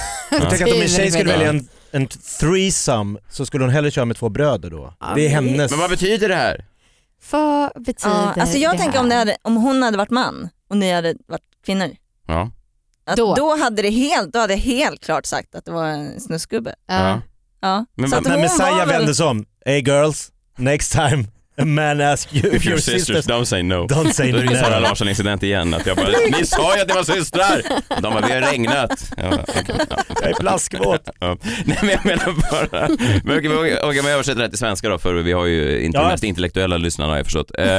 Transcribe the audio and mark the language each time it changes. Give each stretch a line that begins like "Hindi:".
Swedish: Jag tänker att om en tjej skulle välja en threesome så skulle hon hellre köra med två bröder då. Okay. Det är hennes. Men vad betyder det här? Vad betyder det? Alltså jag tänker om hon hade varit man och ni hade varit kvinnor. Ja. Då hade jag helt klart sagt att det var en snuskgubbe. Ja. Ja. Men Messiah vändes om.
English: Hey girls, next time a man asks you if you're sisters, don't say no. Don't say no.
Swedish: Det är Sara Larsson incident igen. Att jag bara, ni sa ju att ni var systrar. De bara, vi har regnat. Jag är plaskvåt. Nej, men jag menar bara. Men okej, men jag översätter det till svenska då, för vi har ju inte de mest intellektuella lyssnarna, har jag förstått.